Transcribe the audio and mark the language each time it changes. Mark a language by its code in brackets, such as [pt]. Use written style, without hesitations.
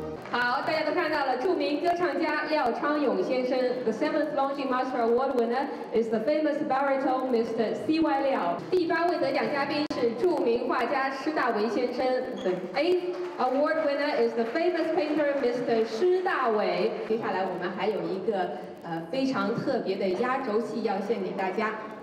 [zh] 好，大家都看到了，著名歌唱家廖昌永先生。 [en] The seventh Longines Master Award winner is the famous baritone Mr. [zh] C.Y. Liao。 第八位得奖嘉宾。著名画家施大为先生。 [en] The eighth award winner is the famous painter Mr. [zh] 施大为。接下来我们还有一个非常特别的压轴戏要献给大家。